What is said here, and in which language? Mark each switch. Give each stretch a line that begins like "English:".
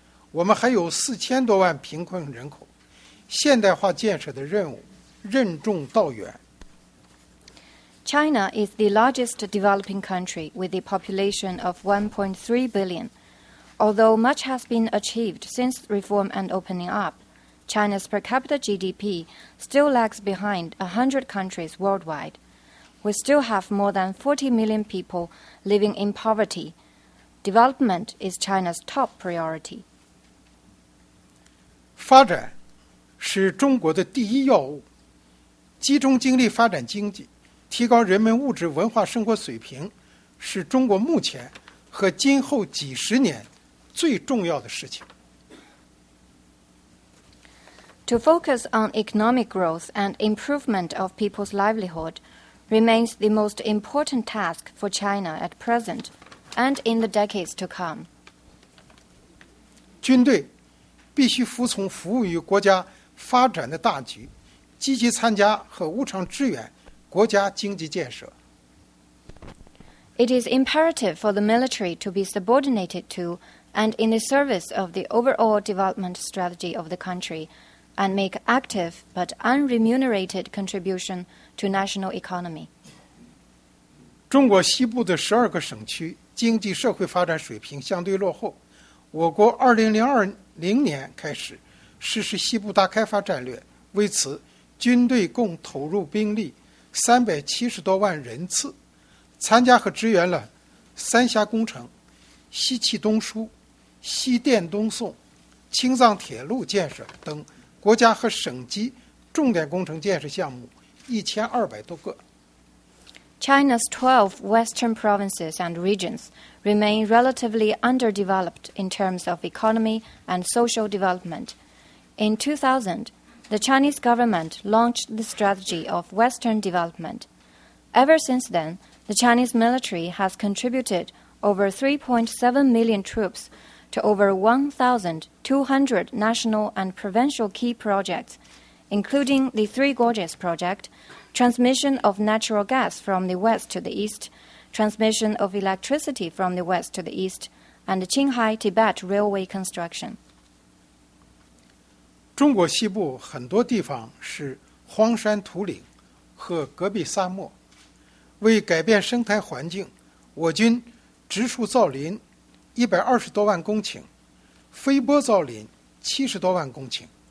Chinese: 我们还有4000多万贫困人口，现代化建设的任务任重道远。
English: China is the largest developing country with a population of 1.3 billion. Although much has been achieved since reform and opening up, China's per capita GDP still lags behind 100 countries worldwide. We still have more than 40 million people living in poverty. Development is China's top priority.
Chinese: 发展是中国的第一要务，集中精力发展经济。提高人们物质文化生活水平是中国目前和今后几十年最重要的事情。
English: To focus on economic growth and improvement of people's livelihood remains the most important task for China at present and in the decades to come.
Chinese: 军队必须服从服务于国家发展的大局，积极参加和无偿支援国家经济建设。
English: It is imperative for the military to be subordinated to and in the service of the overall development strategy of the country and make active but unremunerated contribution to national economy.
Chinese: 中国西部的12个省区经济社会发展水平相对落后，我国2020年开始实施西部大开发战略，为此军队共投入兵力370多万人次，参加和支援了三峡工程、西气东输、西电东送、青藏铁路建设等国家和省级重点工程建设项目1200多个。
English: China's 12 western provinces and regions remain relatively underdeveloped in terms of economy and social development. In 2000,The Chinese government launched the strategy of Western development. Ever since then, the Chinese military has contributed over 3.7 million troops to over 1,200 national and provincial key projects, including the Three Gorges Project, transmission of natural gas from the west to the east, transmission of electricity from the west to the east, and the Qinghai-Tibet railway construction.
Chinese: 中国西部很多地方是荒山土岭和戈壁沙漠，为改变生态环境，我军植树造林120多万公顷，飞波造林70多万公顷。